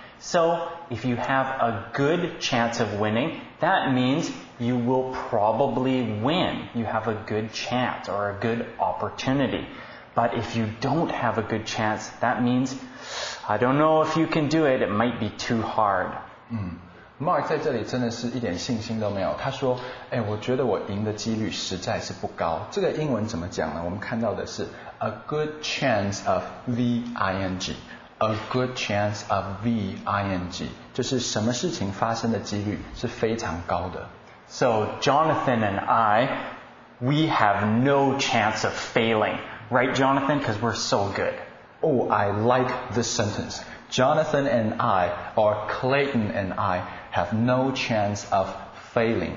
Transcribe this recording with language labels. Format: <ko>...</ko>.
<en>So, if you have a good chance of winning, that means you will probably win. You have a good chance or a good opportunity. But if you don't have a good chance, that means, I don't know if you can do it, it might be too hard.</en> <zh>Mark 在这里真的是一点信心都没有。他说，诶，我觉得我赢的几率实在是不高。这个英文怎么讲呢？我们看到的是</zh> <en>a good chance of V-I-N-G. A good chance of V-I-N-G.</en> <zh>就是什么事情发生的几率是非常高的。</zh> <en>So, Jonathan and I, we have no chance of failing. Right, Jonathan? Because we're so good. Oh, I like this sentence. Jonathan and I, or Clayton and I,have no chance of failing.</en>